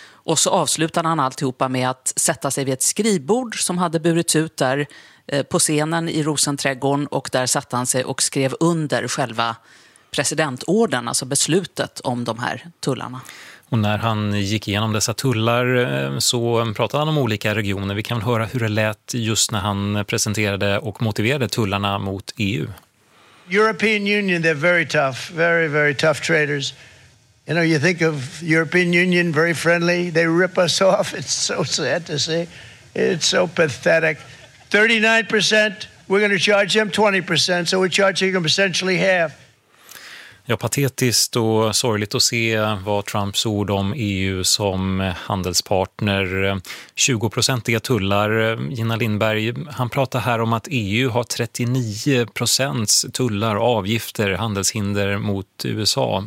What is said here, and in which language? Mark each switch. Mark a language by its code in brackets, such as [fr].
[sv] Och så avslutade han alltihopa med att sätta sig vid ett skrivbord som hade burits ut där på scenen i Rosenträdgården, och där satte han sig och skrev under själva presidentorden, alltså beslutet om de här tullarna. Och när han gick igenom dessa tullar så pratade han om olika regioner. Vi kan väl höra hur det lät just när han presenterade och motiverade tullarna mot EU. [en] European Union, they're very tough, very, very tough traders. You know, you think of European Union, very friendly, they rip us off. It's so sad to see. It's so pathetic. 39%, we're going to charge them 20%, so we're charging them essentially half. [sv] Ja, patetiskt och sorgligt att se vad Trumps ord om EU som handelspartner. 20-procentiga tullar, Gina Lindberg, han pratar här om att EU har 39% tullar, avgifter, handelshinder mot USA.